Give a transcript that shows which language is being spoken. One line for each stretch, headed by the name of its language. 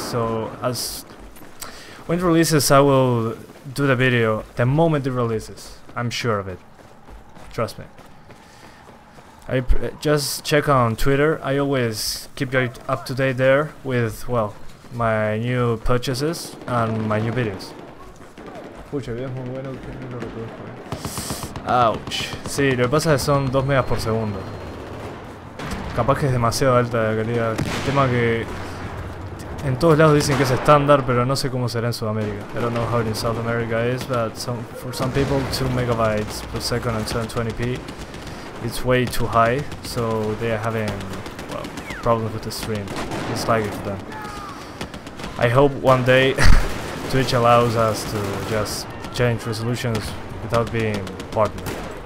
English: So as when it releases, I will do the video the moment it releases. I'm sure of it. Trust me. I just check on Twitter. I always keep you up to date there with, well, my new purchases and my new videos.
Spanish: Pucha, bien, muy bueno que no lo recuerdo.
English: Ouch.
Spanish: Sí, lo que pasa es que son 2 megas por segundo. Capaz que es demasiado alta la calidad. El tema que en todos lados dicen que es estándar, pero no sé cómo será en Sudamérica.
English: I don't know how it in South America is, but for some people, 2 megabytes per second and 720p. It's way too high, so they are having, well, problems with the stream. It's lagging for them. I hope one day Twitch allows us to just change resolutions without being partnered.